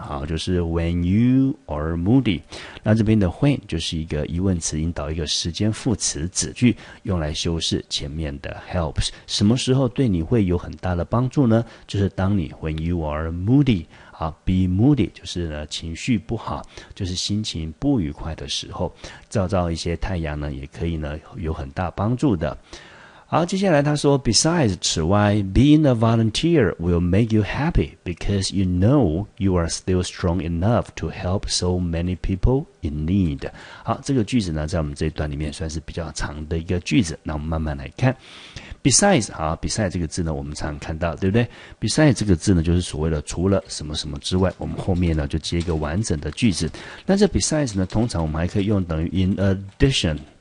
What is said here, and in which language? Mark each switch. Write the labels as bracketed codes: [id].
[zh] 好，就是 [en] when you are moody。 [zh] 那这边的 when 就是一个疑问词引导一个时间副词子句，用来修饰前面的 helps。什么时候对你会有很大的帮助呢？就是当你 [en] when you are moody。 [zh] 好， [en] be moody [zh] 就是呢情绪不好，就是心情不愉快的时候，照照一些太阳呢也可以呢有很大帮助的。好，接下来他说 [en] besides, [zh] 此外 [en] being a volunteer will make you happy because you know you are still strong enough to help so many people in need. [zh] 好，这个句子呢在我们这一段里面算是比较长的一个句子，那我们慢慢来看。 besides, 好， besides 这个字呢我们常看到，对不对？besides 这个字呢就是所谓的除了什么什么之外，我们后面呢就接一个完整的句子。那这 besides 呢通常我们还可以用等于 [en] in addition,